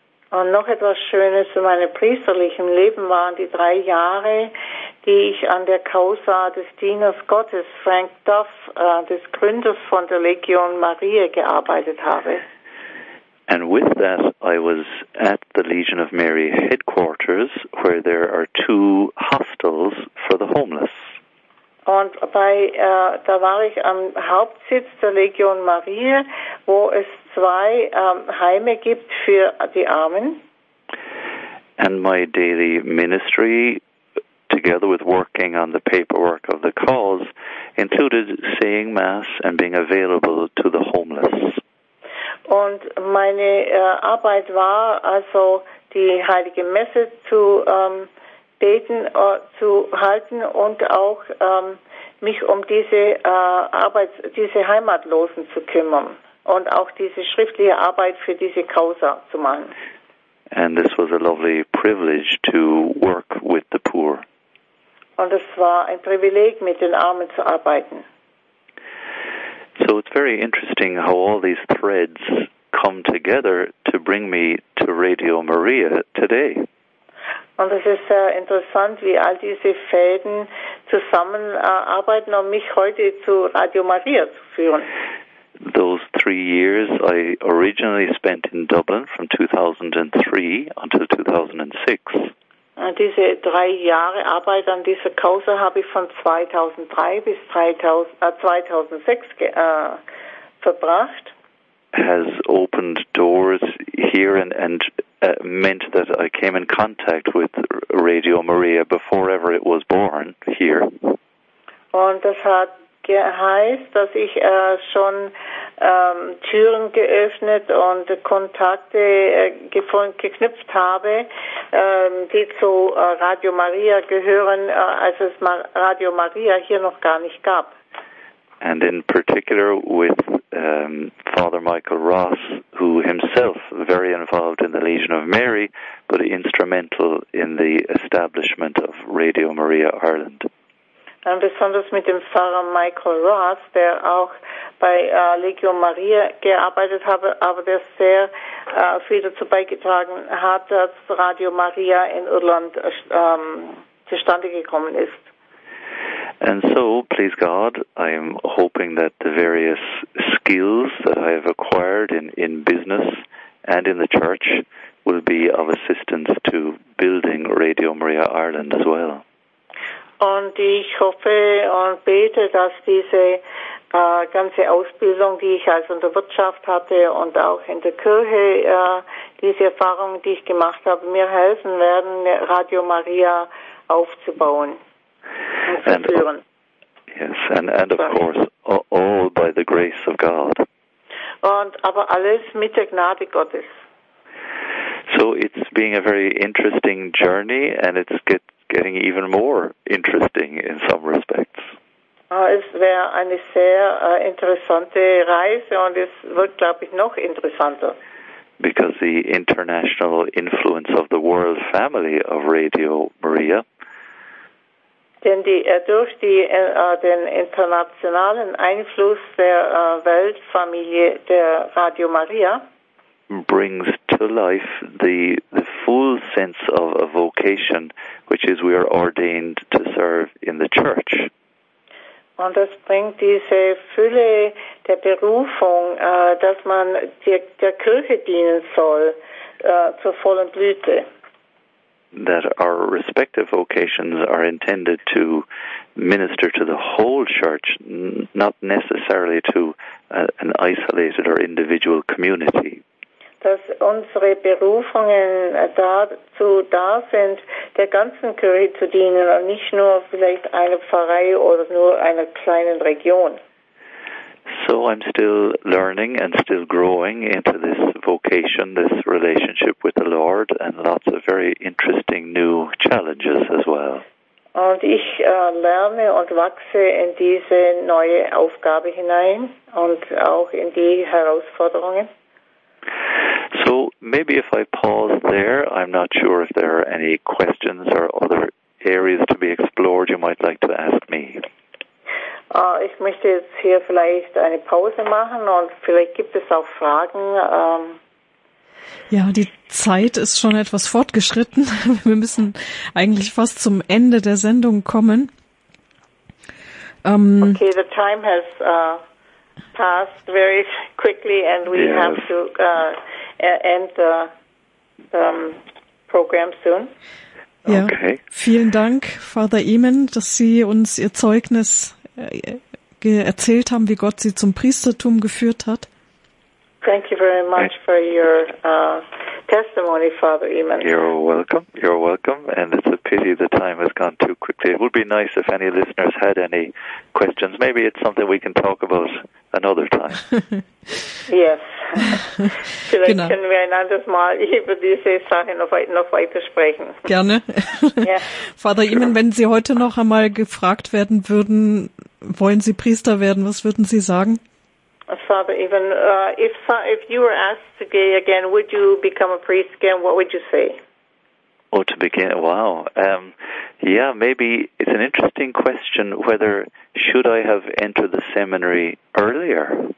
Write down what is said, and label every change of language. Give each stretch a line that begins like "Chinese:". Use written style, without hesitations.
German: Und noch etwas Schönes in meinem priesterlichen Leben waren die 3 Jahre, die ich an der Causa des Dieners Gottes, Frank Duff, des Gründers von der Legion Maria, gearbeitet habe.
English: And with that, I was at the Legion of Mary headquarters, where there are two hostels for the homeless.
German: Und bei da war ich am Hauptsitz der Legion Maria, wo es zwei Heime gibt für die Armen.
English: And my daily ministry, together with working on the paperwork of the cause, included saying Mass and being available to the homeless.
German: Und meine Arbeit war also, die Heilige Messe zu beten, zu halten und auch mich um diese Arbeit, diese Heimatlosen zu kümmern und auch diese schriftliche Arbeit für diese Causa zu machen.
English: And this was a lovely privilege to work with the poor.
German: Und es war ein Privileg, mit den Armen zu arbeiten.
English: So it's very interesting how all these threads come together to bring me to Radio Maria today.
German: Und es ist sehr interessant, wie all diese Fäden zusammen arbeiten, um mich heute zu Radio Maria zu führen.
English: Those 3 years I originally spent in Dublin from 2003 until 2006.
German: Diese 3 Jahre Arbeit an dieser Causa habe ich von 2003 bis 2006 verbracht.
English: Has opened doors here and meant that I came in contact with Radio Maria before ever it was born here.
German: Und das hat geheißt, dass ich schon Türen geöffnet und Kontakte geknüpft habe, die zu Radio Maria gehören, als es Radio Maria hier noch gar nicht gab.
English: And in particular with Father Michael Ross, who himself very involved in the Legion of Mary, but instrumental in the establishment of Radio Maria Ireland.
German: Und besonders mit dem Pfarrer Michael Ross, der auch bei Legion Maria gearbeitet habe, aber der sehr viel dazu beigetragen hat, dass Radio Maria in Irland zustande gekommen ist.
English: And so, please God, I'm hoping that the various skills that I have acquired in business and in the church will be of assistance to building Radio Maria Ireland as well.
German: Und ich hoffe und bete, dass diese ganze Ausbildung, die ich also in der Wirtschaft hatte und auch in der Kirche, diese Erfahrungen, die ich gemacht habe, mir helfen werden, Radio Maria aufzubauen und zu führen.
English: Of course, all by the grace of God.
German: Und aber alles mit der Gnade Gottes.
English: So it's being a very interesting journey and it's getting even more interesting in some respects.
German: Es wäre eine sehr interessante Reise und es wird, glaube ich, noch interessanter.
English: Because the international influence of the world family of Radio Maria.
German: Denn durch den internationalen Einfluss der Weltfamilie der Radio Maria
English: brings to life the full sense of a vocation, which is we are ordained to serve in the church.
German: Und das bringt diese Fülle der Berufung, dass man der Kirche dienen soll, zur vollen Blüte.
English: That our respective vocations are intended to minister to the whole church, not necessarily to an isolated or individual community.
German: Dass unsere Berufungen dazu da sind, der ganzen Kirche zu dienen und nicht nur vielleicht einer Pfarrei oder nur einer kleinen Region.
English: So I'm still learning and still growing into this vocation, this relationship with the Lord and lots of very interesting new challenges as well.
German: Und ich lerne und wachse in diese neue Aufgabe hinein und auch in die Herausforderungen.
English: So maybe if I pause there, I'm not sure if there are any questions or other areas to be explored you might like to ask me.
German: Ich möchte jetzt hier vielleicht eine Pause machen und vielleicht gibt es auch Fragen. Ja, die Zeit ist schon etwas fortgeschritten. Wir müssen eigentlich fast zum Ende der Sendung kommen.
English: Okay, the time has passed very quickly and we have to end the program soon.
German: Ja, okay. Vielen Dank, Father Eamon, dass Sie uns Ihr Zeugnis erzählt haben, wie Gott Sie zum Priestertum geführt hat.
English: Thank you very much for your testimony, Father Eamon. You're welcome. You're welcome. And it's a pity the time has gone too quickly. It would be nice if any listeners had any questions. Maybe it's something we can talk about another time. Yes.
German: Vielleicht genau. Können wir ein anderes Mal über diese Sache noch weiter sprechen. Gerne.
English: Yeah. Father Eamon, sure.
German: Wenn Sie heute noch einmal gefragt werden würden, wollen Sie Priester werden, was würden Sie sagen?
English: Father Eamon, if you were asked to be again, would you become a priest again? What would you say? Oh, to begin, wow. Yeah, maybe it's an interesting question whether should I have entered the seminary earlier?